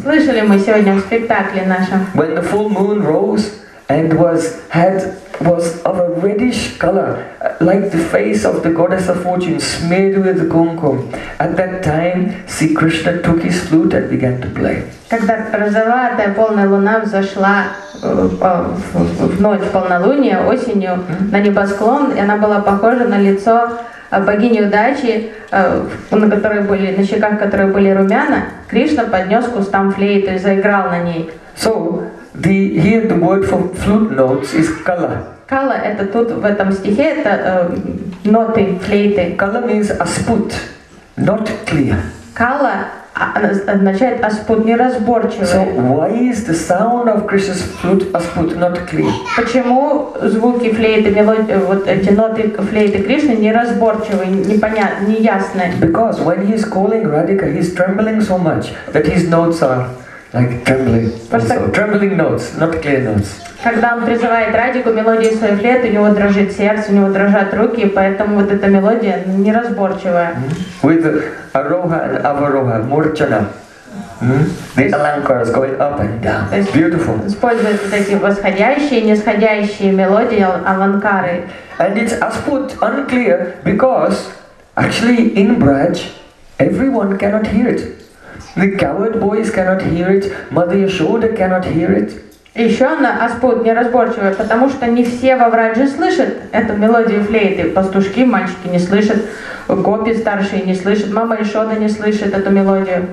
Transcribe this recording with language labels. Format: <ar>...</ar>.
<ru>Слышали мы сегодня в спектакле нашем.</ru> <en>When the full moon rose and was of a reddish color, like the face of the goddess of fortune smeared with kumkum. At that time, Sri Krishna took his flute and began to play.</en> <ru>Когда розоватая полная луна взошла в ночь полнолуния осенью на небосклон, и она была похожа на лицо богини удачи, на которой были на щеках, которые были румяна, Кришна поднес к устам флейту и заиграл на ней.</ru> <en>So here the word for flute notes is kala.</en> <ru>Kala это тут в этом стихе это ноты флейты.</ru> <en>Kala means asput, not clear.</en> <ru>Kala означает аспут, неразборчивый.</ru> <en>So why is the sound of Krishna's flute aspud, not clear?</en> <ru>Почему звуки флейты, вот эти ноты флейты Кришны неразборчивые, непонятные, неясные?</ru> <en>Because when he is calling Radhika, he is trembling so much that his notes are like trembling. Trembling notes, not clear notes.</en> <ru>Когда он призывает Радику, мелодии своих лет, у него дрожит сердце, у него дрожат руки, поэтому вот эта мелодия неразборчивая.</ru> <en>With Aroha and Avaroha, Murchana. The alankar is going up and down. It's beautiful.</en> <ru>Использует вот эти восходящие, нисходящие мелодии аванкары.</ru> <en>And it's asput, unclear, because actually in Braj, everyone cannot hear it. The coward boys cannot hear it, Mother Yashoda cannot hear it.</en> <ru>Еще она аспут неразборчивая, потому что не все во Врадже слышат эту мелодию флейты. Пастушки, мальчики не слышат, гопи старшие не слышат, мама Ишода не слышит эту мелодию.</ru>